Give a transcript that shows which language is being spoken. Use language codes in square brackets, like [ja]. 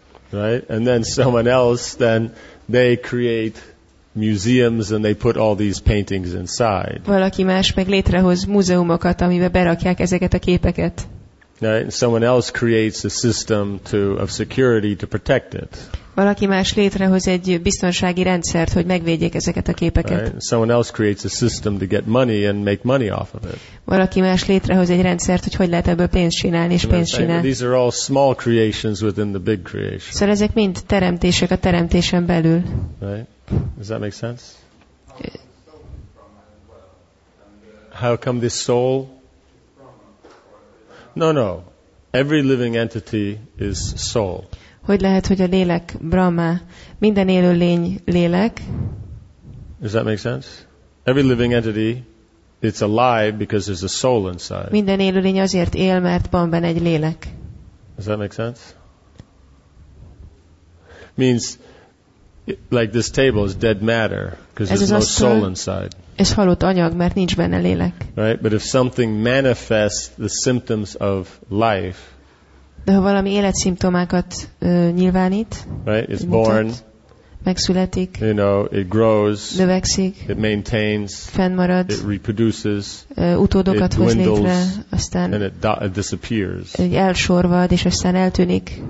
[en] Right? And then someone else, then they create museums and they put all these paintings inside. [hu] Valaki más meg létrehoz múzeumokat, amibe berakják ezeket a képeket. [en] Right? Someone else creates a system of security to protect it. [hu] Valaki más létrehoz egy biztonsági rendszert, hogy megvédjék ezeket a képeket. [en] Right? Someone else creates a system to get money and make money off of it. [hu] Valaki más létrehoz egy rendszert, hogy lehet ebből pénzt csinálni, és pénzt csinál. [en] These are all small creations within the big creation. [hu] Szóval ezek mind teremtések a teremtésen belül. [en] Right? Does that make sense? How come this soul? No. Every living entity is soul. [hu] Hogy lehet, hogy a lélek Brahma? Minden élő lény lélek. [en] Does that make sense? Every living entity, it's alive because there's a soul inside. [hu] Minden élő lény azért él, mert van benne egy lélek. Does that make sense? [en] Means like this table is dead matter because there's no soul inside. [hu] Ez halott anyag, mert nincs benne lélek. [en] Right, but if something manifests the symptoms of life. [hu] De ha valami életszimptomákat nyilvánít, [en] right, it's born, [hu] megszületik, [en] you know, it grows, [hu] növekszik, [en] it maintains, [hu] fennmarad, [en] it reproduces, [hu] utódokat [en] it dwindles, [hu] hoz létre, aztán [en] and it disappears. [hu] Elsorvad, és aztán eltűnik.